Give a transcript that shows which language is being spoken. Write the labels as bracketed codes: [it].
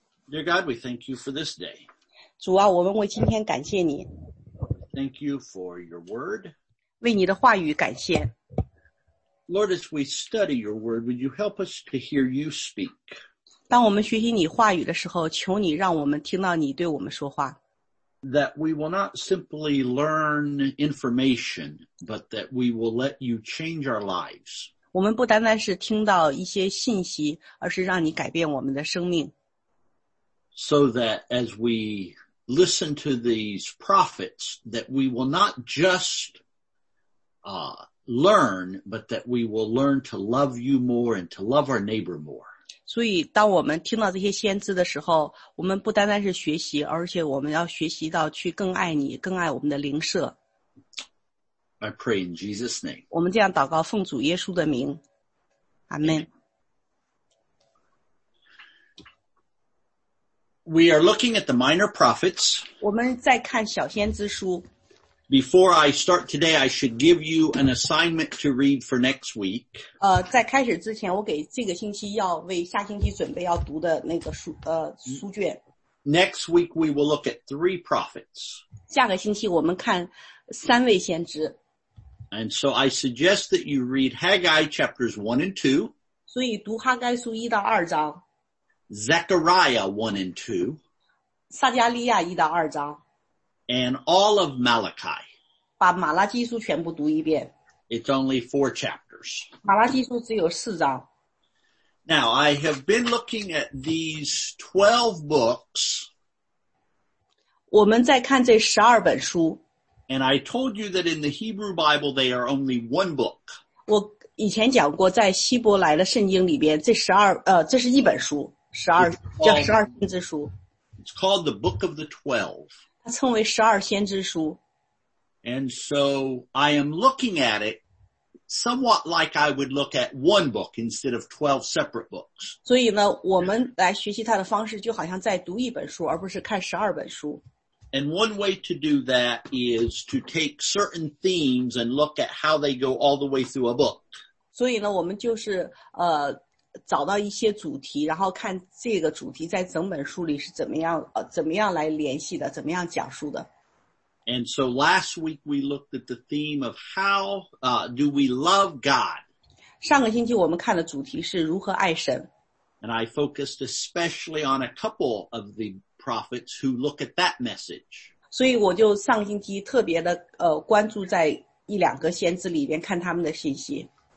[en] Dear God, we thank you for this day. [zh] 主啊，我们为今天感谢你。 [en] Thank you for your word. [zh] 为你的话语感谢。 [en] Lord, as we study your word, would you help us to hear you speak? [zh] 当我们学习你话语的时候，求你让我们听到你对我们说话。 [en] That we will not simply learn information, but that we will let you change our lives. [zh] 我们不单单是听到一些信息，而是让你改变我们的生命。 [en] So that as we listen to these prophets, that we will not just, learn, but that we will learn to love you more and to love our neighbor more. [zh] 所以当我们听到这些先知的时候，我们不单单是学习，而且我们要学习到去更爱你，更爱我们的邻舍。 [en] I pray in Jesus' name. [zh] 我们这样祷告，奉主耶稣的名。 [en] Amen. We are looking at the minor prophets. [zh] 我们在看小先知书。 [en] Before I start today, I should give you an assignment to read for next week. [zh] 在开始之前，我给这个星期要为下星期准备要读的那个书，书卷。 [en] Next week we will look at three prophets. [zh] 下个星期我们看三位先知。 [en] And so I suggest that you read Haggai chapters 1 and 2. [zh] 所以读哈该书1到2章。 [en] Zechariah 1 and 2. [zh] 撒迦利亚1到2章。 [en] And all of Malachi. [zh] 把马拉基书全部读一遍。 [en] It's only 4 chapters. [zh] 马拉基书只有4章。 [en] Now, I have been looking at these 12 books. [zh] 我们在看这12本书。 [en] And I told you that in the Hebrew Bible, they are only one book. [zh] 我以前讲过，在希伯来的圣经里边，这十二，这是一本书，十二，叫十二先知书。 [en] It's called the Book of the Twelve. [zh] 它称为十二先知书。 [en] And so I am looking at it somewhat like I would look at one book instead of 12 separate books. [zh] 所以呢，我们来学习它的方式就好像在读一本书，而不是看十二本书。 [en] And one way to do that is to take certain themes and look at how they go all the way through a book. [zh] 所以呢，我们就是找到一些主题，然后看这个主题在整本书里是怎么样来联系的，怎么样讲述的。 [en] And so last week we looked at the theme of how do we love God. [zh] 上个星期我们看的主题是如何爱神。 [en] And I focused especially on a couple of the prophets who look at that message. [zh] 所以我就上星期特别的关注在一两个先知里边看他们的信息。